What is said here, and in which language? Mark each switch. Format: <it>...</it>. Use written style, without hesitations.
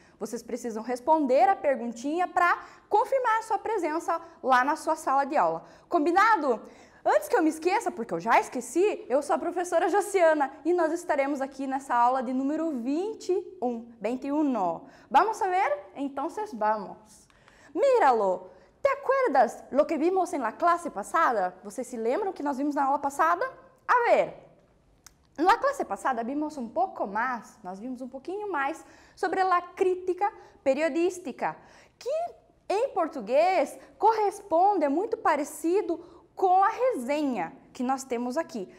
<pt>Vocês precisam responder a perguntinha para confirmar a sua presença lá na sua sala de aula. Combinado? Antes que eu me esqueça, porque eu já esqueci, eu sou a professora Josiana e nós estaremos aqui nessa aula de número 21. 21. Vamos saber? Então, vamos.</pt> <es>Míralo! Te acuerdas lo que vimos en la clase passada?</es> <pt>Vocês se lembram que nós vimos na aula passada?</pt> <es>A ver!</es> <pt>Na classe passada, vimos um pouco mais, nós vimos um pouquinho mais sobre a crítica periodística, que em português corresponde, é muito parecido com a resenha que nós temos aqui.</pt>